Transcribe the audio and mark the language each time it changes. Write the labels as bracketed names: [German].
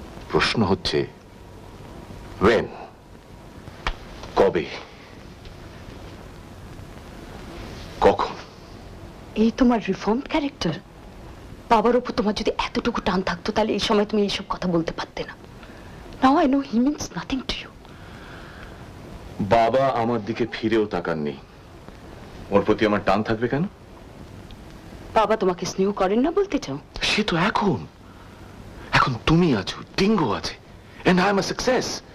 [Bangla] প্রশ্ন হচ্ছে when, কবে, কখন? এই তোমার রিফর্ম ক্যারেক্টার, বাবার উপর তোমার যদি এতটুকু টান থাকতো তাহলে এই সময় তুমি এইসব কথা বলতে পারতে না। [English] Now I know he means nothing to you. [Bangla] বাবা আমার দিকে ফিরেও তাকাননি, ওর প্রতি আমার টান থাকবে কেন? বাবা তোমাকে স্নেহ করেন না বলতে চাও? সে তো এখন এখন তুমি আছো, ডিঙ্গো আছে, [English] and I'm a success.